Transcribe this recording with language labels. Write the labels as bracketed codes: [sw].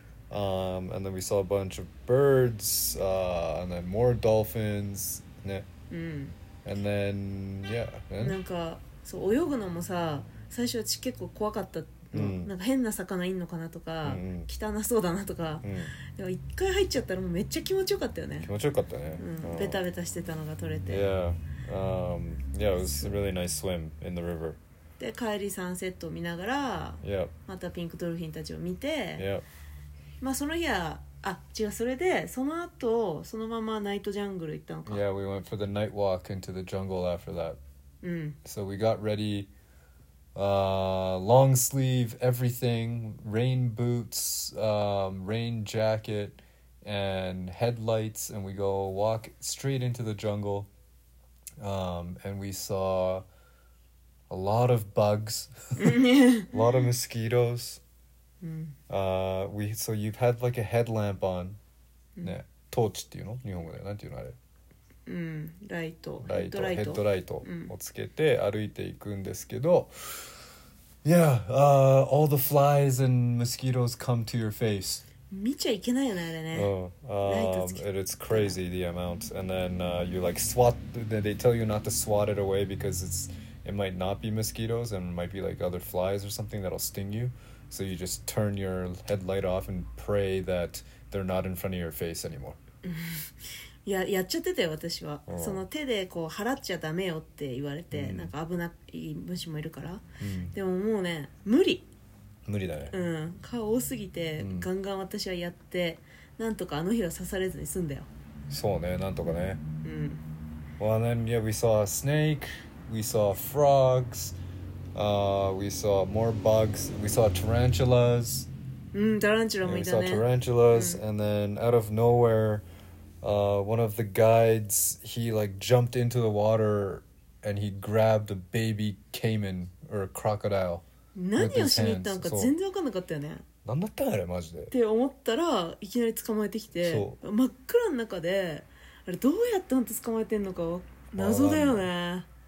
[en] and then we saw a bunch of birds, and then more dolphins, ね。 And then, yeah. [ja] なんか、そう、泳ぐのもさ、最初は結構怖かったの。なんか変な魚いんのかなとか、汚そうだなとか。でも一回入っちゃったらもうめっちゃ気持ちよかったよね。気持ちよかったね。ベタベタしてたのが取れて。 [en] Yeah, it was a really nice swim in the river. [ja] で、帰りサンセットを見ながら、またピンクドルフィンたちを見て、まあその日は、あ、違う、それでその後そのままナイトジャングル行ったのか。 [en] Yeah, we went for the night walk into the jungle after that. So we got ready, long sleeve, everything, rain boots, rain jacket, and headlights, and we go walk straight into the jungle, and we saw a lot of bugs, a lot of mosquitoes. So you've had like a headlamp on. Torch, do you know? [ja] 日本語で何て言うのあれ？ライト、ヘッドライトをつけて歩いていくんですけど。 [en] Yeah, all the flies and mosquitoes come to your face. [ja] 見ちゃいけないよね、あれね。 [en] And it's crazy, the amount. And then、you like swat, they tell you not to swat it away because it's, it might not be mosquitoes and might be like other flies or something that'll sting you. So you just turn your headlight off and pray that they're not in front of your face anymore. [ja] やっちゃってたよ、私は。その手でこう払っちゃダメよって言われて、なんか危ない虫もいるから。でももうね、無理。無理だね。蚊多すぎて、ガンガン私はやって、なんとかあの日は刺されずに済んだよ。そうね、なんとかね。うん。 [en] Well, then, yeah, we saw a snake, we saw frogs, we saw more bugs, we saw tarantulas. [ja] Tarantula もいたね。 [en] We saw tarantulas, and then out of nowhere, one of the guides, he like jumped into the water, and he grabbed a baby caiman, or a crocodile. [ja] 何をしに行ったのか全然分かんなかったよね。何だったんあれマジで。って思ったらいきなり捕まえてきて、真っ暗の中で、あれどうやって捕まえてんのか謎だよね。